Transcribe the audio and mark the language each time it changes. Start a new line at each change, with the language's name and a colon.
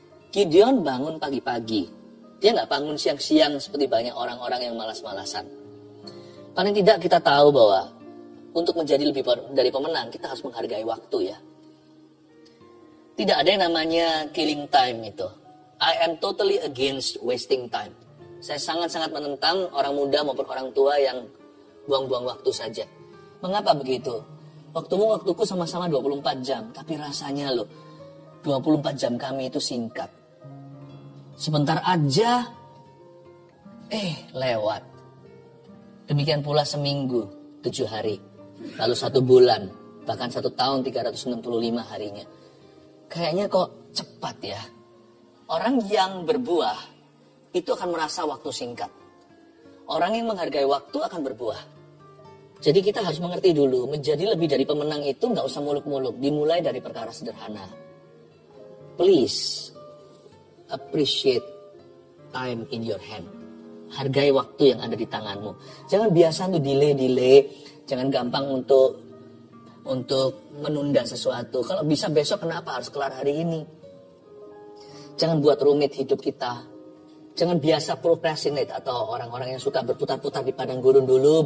Indonesian: Gideon bangun pagi-pagi. Dia gak bangun siang-siang seperti banyak orang-orang yang malas-malasan. Paling tidak kita tahu bahwa untuk menjadi lebih dari pemenang, kita harus menghargai waktu ya. Tidak ada yang namanya
English: killing time
Indonesian: itu.
English: I am totally against wasting time.
Indonesian: Saya sangat-sangat menentang orang muda maupun orang tua yang buang-buang waktu saja. Mengapa begitu? Waktumu, waktuku sama-sama 24 jam. Tapi rasanya loh, 24 jam kami itu singkat. Sebentar aja, lewat. Demikian pula seminggu, 7 hari. Lalu 1 bulan, bahkan 1 tahun 365 harinya. Kayaknya kok cepat ya. Orang yang berbuah itu akan merasa waktu singkat. Orang yang menghargai waktu akan berbuah. Jadi kita harus mengerti dulu, menjadi lebih dari pemenang itu gak usah muluk-muluk. Dimulai dari perkara sederhana.
English: Please appreciate time in your hand.
Indonesian: Hargai waktu yang ada di tanganmu. Jangan biasa untuk delay-delay. Jangan gampang untuk menunda sesuatu. Kalau bisa besok kenapa harus kelar hari ini? Jangan buat rumit hidup kita. Jangan biasa procrastinate atau orang-orang yang suka berputar-putar di padang gurun dulu.